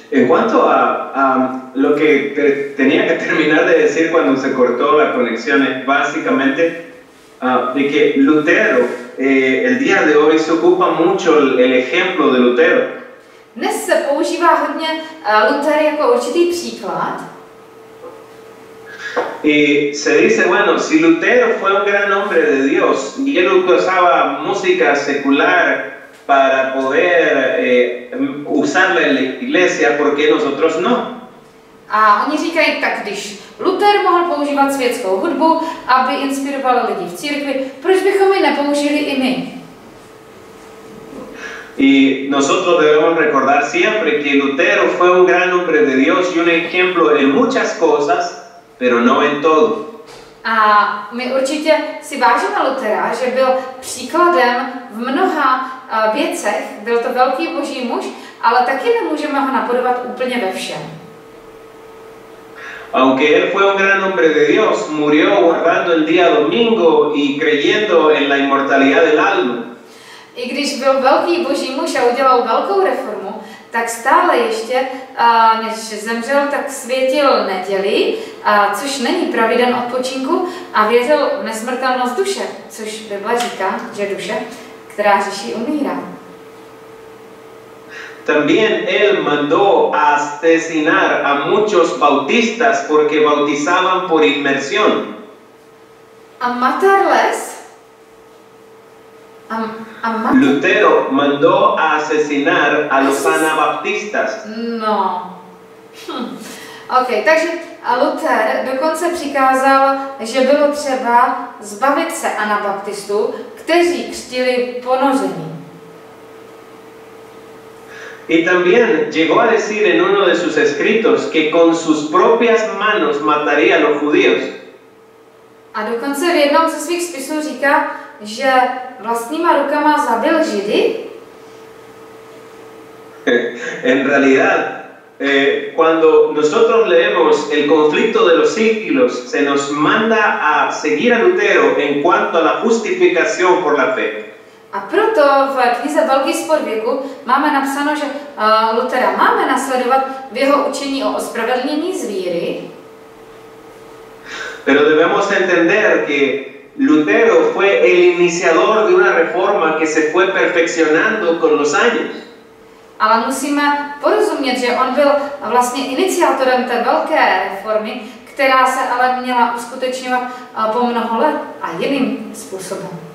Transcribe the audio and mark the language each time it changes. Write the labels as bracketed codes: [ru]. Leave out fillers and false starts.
[es] En cuanto a lo que tenía que terminar de decir cuando se cortó la conexión, básicamente, de que Lutero, el día de hoy se ocupa mucho el ejemplo de Lutero. [cs] Dnes se používá hodně Luther jako určitý příklad. [es] Y se dice, bueno, si Lutero fue un gran hombre de Dios y él usaba música secular para poder usarla en la iglesia, ¿por qué nosotros no? [cs] A oni říkají, tak když Luther mohl používat světskou hudbu, aby inspiroval lidi v církvi, proč bychom ji nepoužili i my? [es] Y nosotros debemos recordar siempre que Lutero fue un gran hombre de Dios y un ejemplo en muchas cosas, pero no en todo. [cs] A my určitě si vážíme Lutera, že byl příkladem v mnoha věcech, byl to velký boží muž, ale taky nemůžeme ho napodobat úplně ve všem. [es] Aunque él fue un gran hombre de Dios, murió guardando el día domingo y creyendo en la inmortalidad del alma. [cs] I když byl velký boží muž a udělal velkou reformu, tak stále ještě, než zemřel, tak světil neděli, což není pravý den odpočinku, a věřil v nesmrtelnost duše, což Bible říká, že duše, která řeší, umírá. [es] También él mandó a asesinar a muchos bautistas porque bautizaban por inmersión. A matarles. Lutero mandó a asesinar a los anabaptistas. No. [cs] Ok, takže Luther dokonce přikázal, že bylo třeba zbavit se anabaptistů, kteří křtili ponoření. [es] Y también llegó a decir en uno de sus escritos que con sus propias manos mataría a los judíos. [cs] A dokonce v jednom ze svých spisů říká, že vlastníma rukama zabil Židy? [es] En realidad, cuando nosotros leemos el conflicto de los siglos, se nos manda a seguir a Lutero en cuanto a la justificación por la fe. [cs] A proto v knize Velký spor věku máme napsáno, že Lutera máme nasledovat v jeho učení o ospravedlnění z víry. [es] Pero debemos entender que Lutero fue el iniciador de una reforma que se fue perfeccionando con los años. [cs] Ale musíme porozumět, že on byl vlastně iniciátorem té velké reformy, která se ale měla uskutečňovat po mnoho let a jiným způsobem.